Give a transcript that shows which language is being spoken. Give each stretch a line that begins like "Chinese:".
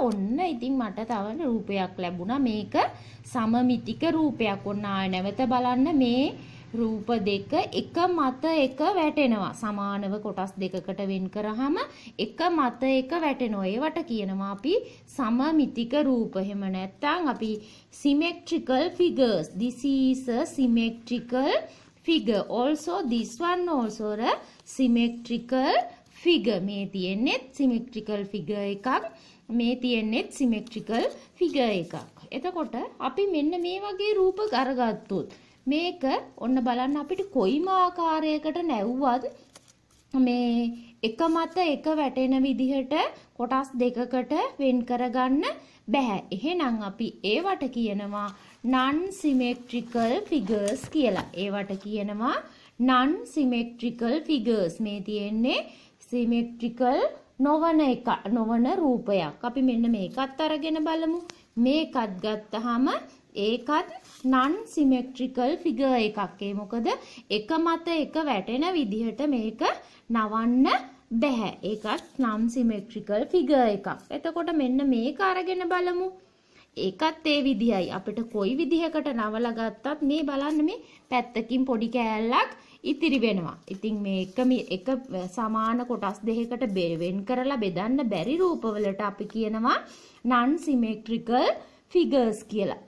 Sinhala: ඔන්න ඉතින් මට තව රූපයක් ලැබුණා. මේක සමමිතික රූපයක්. ඔන්න ආය නැවත බලන්න මේ රූප දෙක එක මත එක වැටෙනවා. සමානව කොටස් දෙකකට වෙන් කරාම එක මත එක වැටෙනවා. ඒවට කියනවා අපි සමමිතික රූප. එහෙම නැත්නම් අපි symmetrical figures.
English: This is a symmetrical figure. Also this one also a symmetrical figure.
Sinhala: මේ තියෙන්නේ symmetrical figure එකක්. මේ තියෙන්නේ symmetrical figure එකක්. එතකොට අපි මෙන්න මේ වගේ රූප අරගත්තොත් මේක ඔන්න බලන්න අපිට කොයිම ආකාරයකට නැව්වත් මේ එක මත එක වැටෙන විදිහට කොටස් දෙකකට වෙන් කරගන්න බැහැ. එහෙනම් අපි ඒවට කියනවා non symmetrical figures කියලා. ඒවට කියනවා non symmetrical figures. මේ තියෙන්නේ symmetrical නොවන එක, නොවන රූපයක්. අපි මෙන්න මේකත් අරගෙන බලමු. මේකත් ගත්තාම ඒකත් non symmetrical figure එකක්. ඒ මොකද එක මත එක වැටෙන විදිහට මේක නවන්න බැහැ. ඒකත් non symmetrical figure එකක්. එතකොට මෙන්න මේක අරගෙන බලමු. ඒකත් ඒ විදිහයි. අපිට කොයි විදිහකට නවලා ගත්තත් මේ බලන්න මේ පැත්තකින් පොඩි කෑල්ලක් ඉතිරි වෙනවා. ඉතින් මේ එක සමාන කොටස් දෙකකට වෙන් කරලා බෙදන්න බැරි රූපවලට අපි කියනවා non symmetrical figures කියලා.